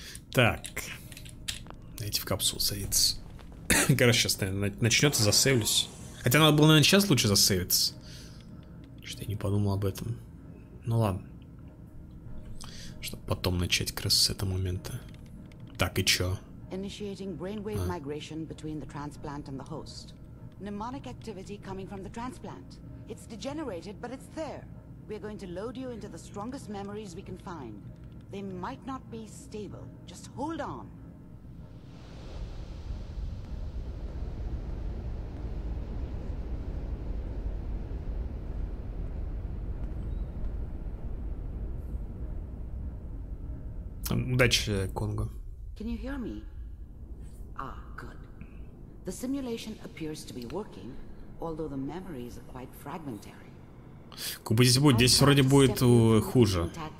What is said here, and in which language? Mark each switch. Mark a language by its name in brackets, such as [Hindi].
[Russian] Так. Давайте в капсулу садиться. Короче, сейчас начнется, засейвлюсь. Хотя надо было, наверное, сейчас лучше засейвиться. Что-то я не подумал об этом. Ну ладно. Чтобы потом начать как раз с этого момента. Так и чё? [English] Initiating brainwave migration between the transplant and the host. Mnemonic activity coming from the transplant. It's degenerated, but it's there. We're going to load you into the strongest memories we can find. They might not be stable. Just hold on. [Russian] Удачи, Конго. [English] Can you hear me? Ah, good. The simulation appears to be working, although the memories are quite fragmentary. [Russian] Куба здесь будет, здесь вроде будет хуже.